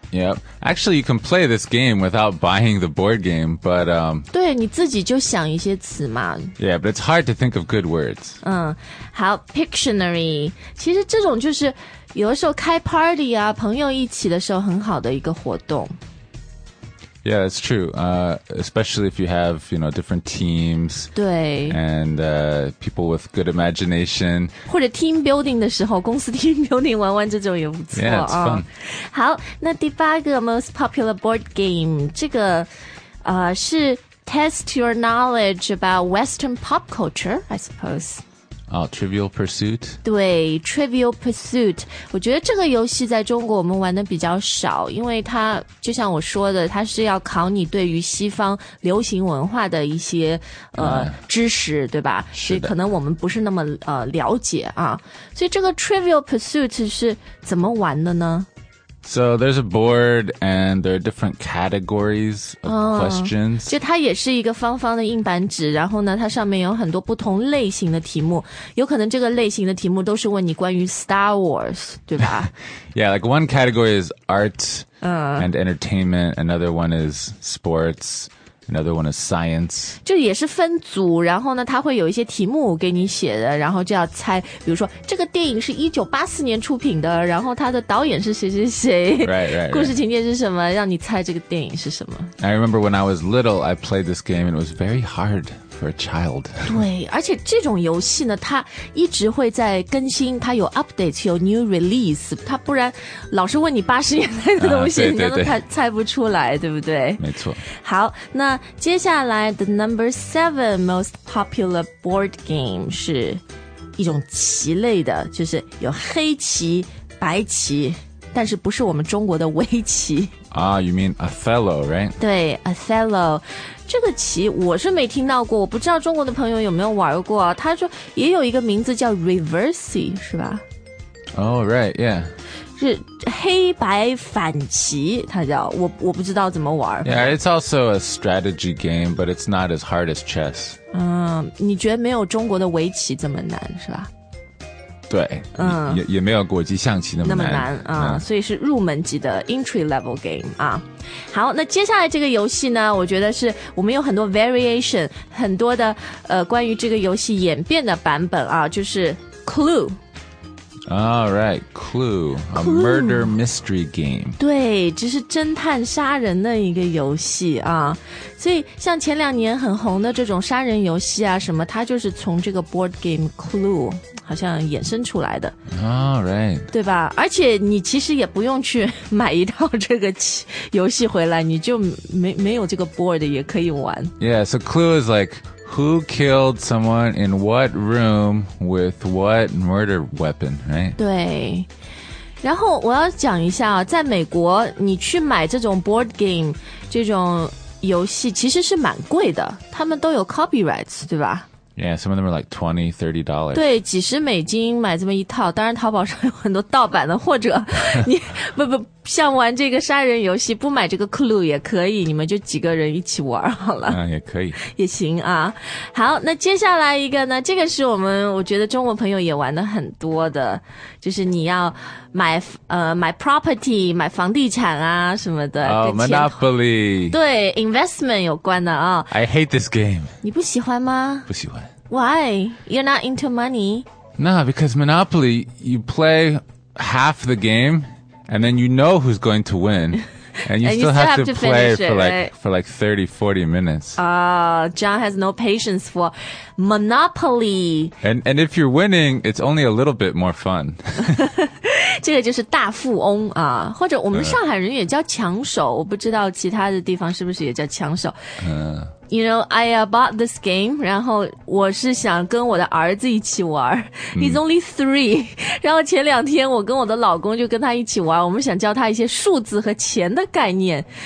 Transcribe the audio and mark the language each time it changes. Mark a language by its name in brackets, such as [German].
[English] Yep, actually you can play this game without buying the board game but [Chinese] 对你自己就想一些词嘛 [English] Yeah, but it's hard to think of good words [Chinese] 嗯好 Pictionary 其实这种就是有的时候开 party 啊朋友一起的时候很好的一个活动 [English] Yeah, that's true. Especially if you have, you know, different teams. [Chinese] 对 [English] And people with good imagination. [Chinese] 或者 team building 的时候，公司 team building 玩玩这种也不错。 [English] Yeah, it's fun. 好，那第八个 most popular board game，这个是 test your knowledge about Western pop culture, I suppose. Oh, Trivial Pursuit. [Chinese] 对 ，Trivial Pursuit， 我觉得这个游戏在中国我们玩的比较少，因为它就像我说的，它是要考你对于西方流行文化的一些知识，对吧？是的。所以可能我们不是那么了解啊。所以这个 Trivial Pursuit 是怎么玩的呢 [English] ？So there's a board and there are different categories of questions. [Chinese] 就它也是一个方方的硬板纸，然后呢，它上面有很多不同类型的题目。有可能这个类型的题目都是问你关于 Star Wars， 对吧 [English] ？Yeah, like one category is art and entertainment. Another one is sports. Another one is science. [Chinese] 就也是分组，然后呢，它会有一些题目给你写的，然后就要猜。比如说，这个电影是1984年出品的，然后它的导演是谁谁谁。 Right. 故事情节是什么？让你猜这个电影是什么 [English] ？I remember when I was little, I played this game, and it was very hard. For a child. [Chinese] 对，而且这种游戏呢，它一直会在更新，它有 update， 有 new release， 它不然老是问你80年代的东西，你都猜不出来，对不对？没错。好，那接下来 the number seven most popular board game 是一种棋类的，就是有黑棋、白棋，但是不是我们中国的围棋。 [English] You mean Othello, right? [Chinese] 对 ，Othello。这个棋我是没听到过，我不知道中国的朋友有没有玩过啊。他说也有一个名字叫 Reversi 是吧？ [English] Oh right, yeah. [Chinese] 是黑白反棋，它叫我不知道怎么玩。 [English] Yeah, it's also a strategy game, but it's not as hard as chess. [Chinese] 嗯，你觉得没有中国的围棋这么难是吧？对，嗯，也没有国际象棋那么难、嗯、所以是入门级的 entry level game 啊。好，那接下来这个游戏呢，我觉得是我们有很多 variation, 很多的关于这个游戏演变的版本啊，就是 Clue。 [English] All right, Clue, a murder mystery game. [Chinese] 对，这是侦探杀人的一个游戏啊。所以像前两年很红的这种杀人游戏啊什么，它就是从这个 board game Clue 好像衍生出来的。 [English] All right. [Chinese] 对吧？而且你其实也不用去买一套这个游戏回来，你就没有这个 board 也可以玩。 [English] Yeah, so Clue is like... Who killed someone in what room with what murder weapon, right? [Chinese] 对。然后我要讲一下，在美国你去买这种 board game, 这种游戏其实是蛮贵的。他们都有 copyrights, 对吧？ [English] Yeah, some of them are like $20-$30. [Chinese] 对，几十美金买这么一套，当然淘宝上有很多盗版的，或者你不像玩这个杀人游戏，不买这个 Clue 也可以，你们就几个人一起玩好了。嗯，也可以。也行啊。好，那接下来一个呢，这个是我觉得中国朋友也玩的很多的，就是你要买 property, 买房地产啊什么的。 [English] Oh, Monopoly. [Chinese] 对 ,investment 有关的啊。 [English] I hate this game. [Chinese] 你不喜欢吗？不喜欢。 [English] Why? You're not into money? No, because Monopoly, you play half the game,And then you know who's going to win. And you, and still, you have to play it, for like,、 right? for like 30, 40 minutes. John has no patience for Monopoly. And if you're winning, it's only a little bit more fun. [Chinese] 这个就是大富翁啊，或者我们上海人也叫抢手，我不知道其他的地方是不是也叫抢手。 [English] You know, I bought this game, 然后我是想跟我的儿子一起玩。 He's only three. [Chinese] 然后前两天我跟我的老公就跟他一起玩，我们想教他一些数字和钱的概念。